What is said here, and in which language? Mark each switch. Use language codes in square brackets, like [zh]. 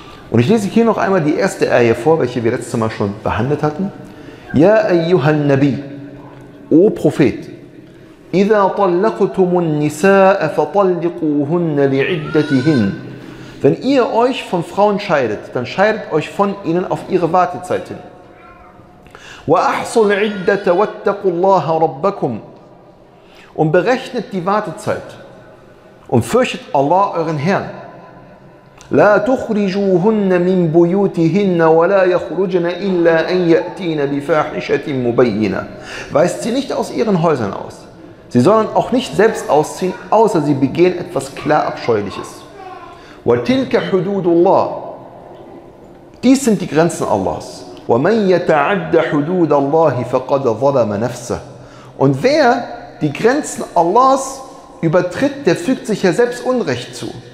[de] Und ich lese hier noch einmal die erste Ayah vor, welche wir letztes Mal schon behandelt hatten. [ar] Ya ayyuhan Nabi, [de] o Prophet, [ar] إذا طلقتم النساء فطلقوهن لعدتهن. [de] Wenn ihr euch von Frauen scheidet, dann scheidet euch von ihnen auf ihre Wartezeit hin. [ar] وأحصوا العدة واتقوا الله ربكم. [de] Und berechnet die Wartezeit und fürchtet Allah euren Herrn. [ar] لا تخرجوهن من بيوتهن ولا يخرجن إلا أن يأتين بفاحشة مبينة. [de] Weist sie nicht aus ihren Häusern aus. Sie sollen auch nicht selbst ausziehen, außer sie begehen etwas klar Abscheuliches. [ar] وَتِلْكَ حُدُودُ اللَّهِ [de] Dies sind die Grenzen Allahs. [ar] وَمَنْ يَتَعَدَّ حُدُودَ اللَّهِ فَقَدْ ظَلَمَ نَفْسَهُ [de] Und wer die Grenzen Allahs übertritt, der fügt sich ja selbst Unrecht zu.